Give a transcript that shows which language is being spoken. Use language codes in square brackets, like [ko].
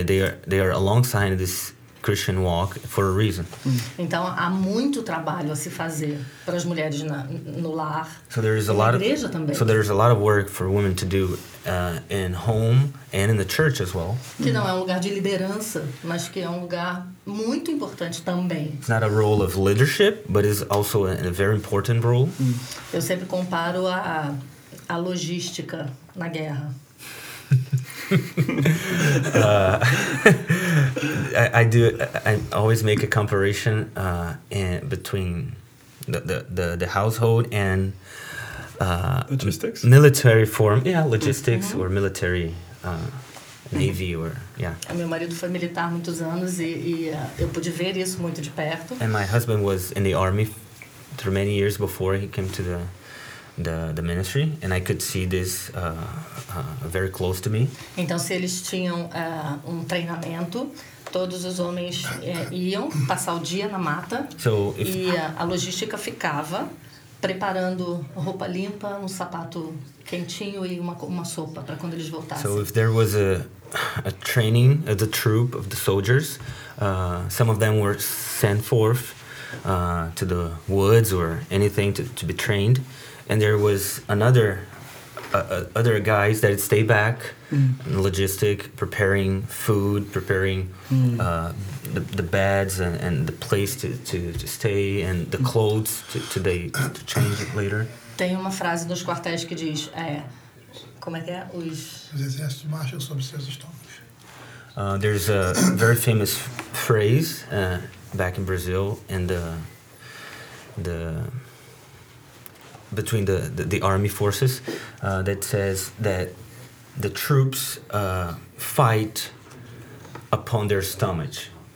[en] They are alongside this Christian walk for a reason. [pt] Então há muito trabalho a se fazer para as mulheres no lar. [en] So there is a lot [pt] igreja [en] of [pt] também. [en] So there is a lot of work for women to do in home and in the church as well. [pt] Que não é um lugar de liderança, mas que é um lugar muito importante também. [en] It's not a role of leadership, but it's also a very important role. [pt] Eu sempre comparo a logística na guerra. [en] I always make a comparison between the household and logistics, military form, logistics or military navy or [pt] Meu marido foi militar muitos anos e eu pude ver isso muito de perto. [en] And my husband was in the army for many years before he came to the ministry, and I could see this very close to me. [pt] Então, se eles tinham treinamento, todos os homens iam passar o dia na mata, a logística ficava preparando roupa limpa, um sapato quentinho e uma sopa para quando eles voltassem. [en] So if there was a training of the troop of the soldiers, some of them were sent forth to the woods or anything to be trained. And there was another other guys that stayed back in logistic, preparing food, preparing the beds and the place to stay and the clothes to change it later. [pt] Tem uma frase nos quartéis que diz, como é que é? Os exércitos marcham sobre seus estômagos. [en] There's a very famous phrase back in Brazil in the between the army forces that says that the troops fight upon their stomach.